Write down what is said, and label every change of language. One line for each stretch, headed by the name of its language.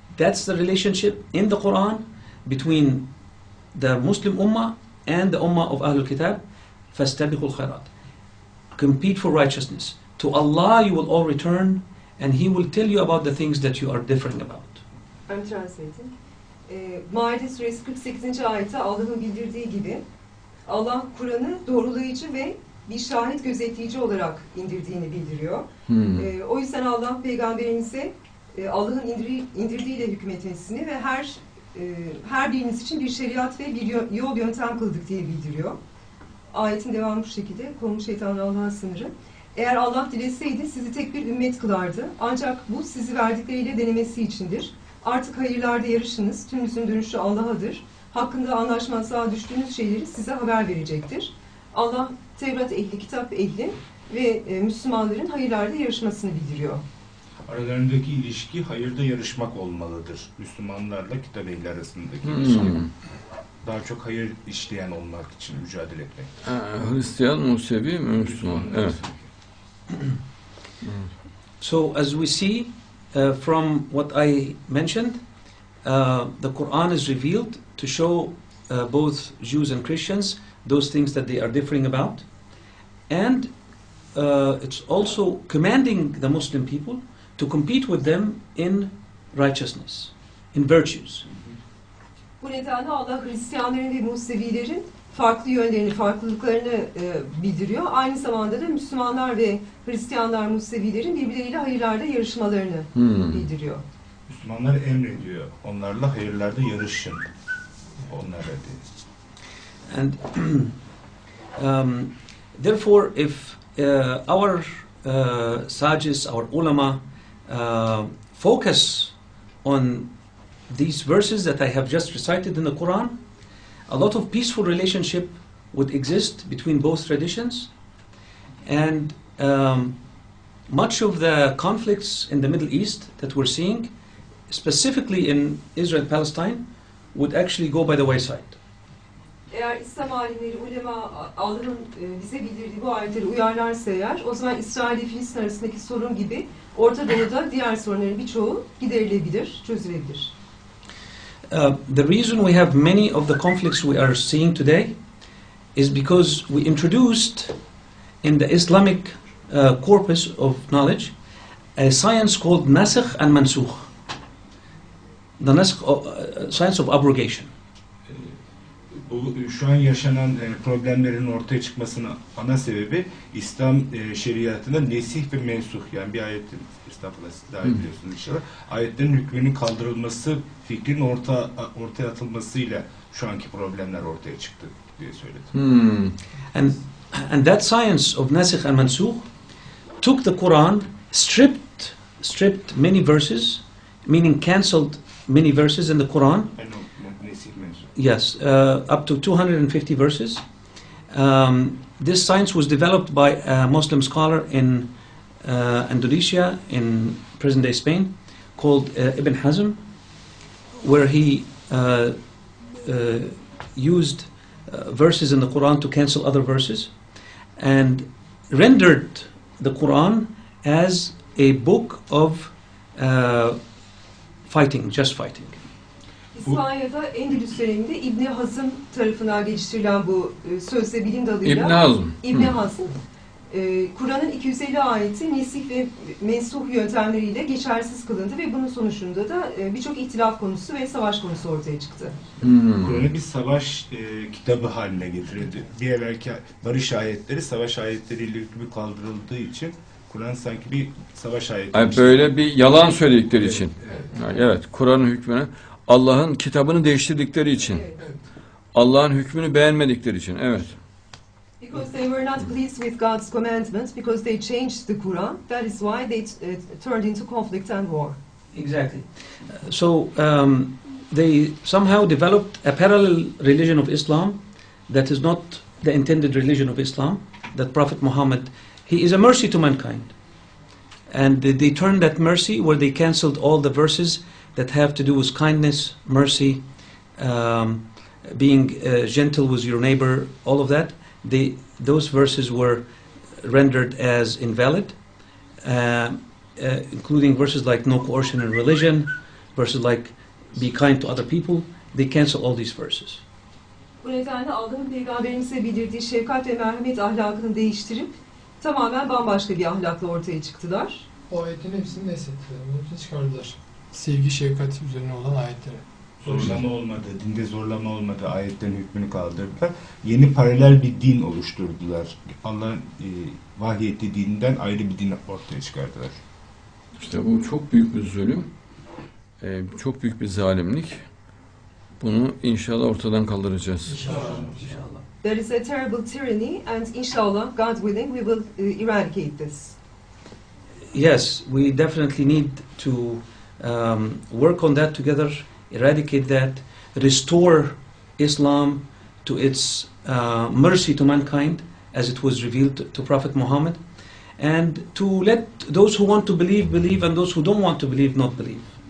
English: That's the relationship in the Quran between the Muslim ummah and the ummah of Ahlul Kitab.
Arabic: فَاسْتَبِقُوا الْخَيْرَاتِ,
English: compete for righteousness. To Allah you will all return, and He will tell you about the things that you are differing about. I'm translating.
Turkish: Maide suresi 48. ayette Allah'ın bildirdiği gibi Allah Kur'an'ı doğrulayıcı ve bir şahit gözetleyici olarak indirdiğini bildiriyor. O yüzden Allah peygamberinize Allah'ın indirdiğiyle hükmetmesini ve her biriniz için bir şeriat ve bir yol yöntem kıldık diye bildiriyor. Ayetin devamı bu şekilde: konu şeytanın Allah'ın sınırı. Eğer Allah dileseydi sizi tek bir ümmet kılardı. Ancak bu sizi verdikleriyle denemesi içindir. Artık hayırlarda yarışınız. Tümünüzün dönüşü Allah'adır. Hakkında anlaşmazlığa düştüğünüz şeyleri size haber verecektir. Allah Tevrat ehli, kitap ehli ve Müslümanların hayırlarda yarışmasını bildiriyor. Aralarındaki ilişki hayırda yarışmak olmalıdır. Müslümanlarla kitap ehli arasındaki ilişki. Daha çok hayır işleyen olmak için mücadele etmek. Hristiyan, Musevi, Müslüman. Evet.
English: So as we see from what I mentioned, the Quran is revealed to show both Jews and Christians those things that they are differing about, and it's also commanding the Muslim people to compete with them in righteousness, in virtues.
Turkish: Bu nedenle Allah Hristiyanların ve Musevilerin farklı yönlerini, farklılıklarını bildiriyor. Aynı zamanda da Müslümanlar ve Hristiyanlar, Musevilerin birbirleriyle hayırlarda yarışmalarını bildiriyor. Müslümanlar emrediyor, onlarla hayırlarda yarışın. Onlara diyor.
English: And therefore, if our sages, our ulama, focus on these verses that I have just recited in the Quran, a lot of peaceful relationship would exist between both traditions, and much of the conflicts in the Middle East that we're seeing, specifically in Israel-Palestine, would actually go by the wayside.
Turkish: Eğer İslam alimleri, ulema Allah'ın bize bildirdiği bu ayetleri uyarlarsa eğer, o zaman İsrail ile Filistin arasındaki sorun gibi Orta Doğu'da diğer sorunların birçoğu giderilebilir, çözülebilir.
English: The reason we have many of the conflicts we are seeing today is because we introduced in the Islamic corpus of knowledge a science called nasikh and mansukh, the nasikh science of abrogation.
Turkish: Şu an yaşanan problemlerin ortaya çıkmasının ana sebebi İslam şeriatında nesih ve mensuh, yani bir ayetin, estağfurullah siz daha biliyorsunuz inşallah, ayetlerin hükmünün kaldırılması, fikrin ortaya atılmasıyla şu anki problemler ortaya çıktı diye söyledim.
English: And that science of nesih and mensuh took the Quran, stripped many verses, meaning cancelled many verses in the Quran. Yes, up to 250 verses. This science was developed by a Muslim scholar in Indonesia, in present-day Spain, called Ibn Hazm, where he used verses in the Quran to cancel other verses, and rendered the Quran as a book of fighting, just fighting.
Turkish: İspanya'da Endülüs döneminde İbn Hazm tarafından geliştirilen bu sözde bilim dalıyla İbn Hazm Kur'an'ın 250 ayeti nesih ve mensuh yöntemleriyle geçersiz kılındı ve bunun sonucunda da birçok ihtilaf konusu ve savaş konusu ortaya çıktı. Kur'an'ı bir savaş kitabı haline getirildi. Bir evvelki barış ayetleri savaş ayetleriyle hükmü kaldırıldığı için Kur'an sanki bir savaş ayeti. Yani böyle bir yalan söyledikleri için. Evet, Kur'an'ın hükmüne Allah'ın kitabını değiştirdikleri için, Allah'ın hükmünü beğenmedikleri için, evet.
English: Because they were not pleased with God's commandments, because they changed the Quran, that is why they turned into conflict and war. Exactly. So they somehow developed a parallel religion of Islam that is not the intended religion of Islam, that Prophet Muhammad, he is a mercy to mankind. And they turned that mercy where they cancelled all the verses that have to do with kindness, mercy, being gentle with your neighbor, all of that. Those verses were rendered as invalid, including verses like no coercion in religion, verses like be kind to other people. They cancel all these verses.
Turkish: Bu nedenle Allah'ın peygamberimize bildirdiği şefkat ve merhamet ahlakını değiştirip tamamen bambaşka bir ahlakla ortaya çıktılar. O ayetin hepsini nesettiler, çıkardılar. Sevgi, şefkat üzerine olan ayetlere. Zorlama olmadı, dinde zorlama olmadı, ayetlerin hükmünü kaldırdılar. Yeni paralel bir din oluşturdular. Allah'ın vahyettiği dininden ayrı bir din ortaya çıkardılar. İşte bu çok büyük bir zulüm, çok büyük bir zalimlik. Bunu inşallah ortadan kaldıracağız. İnşallah.
English: There is a terrible tyranny and inshallah, God willing, we will eradicate this. Yes, we definitely need to work on that together, eradicate that, restore Islam to its mercy to mankind as it was revealed to Prophet Muhammad, and to let those who want to believe, believe, and those who don't want to believe, not believe.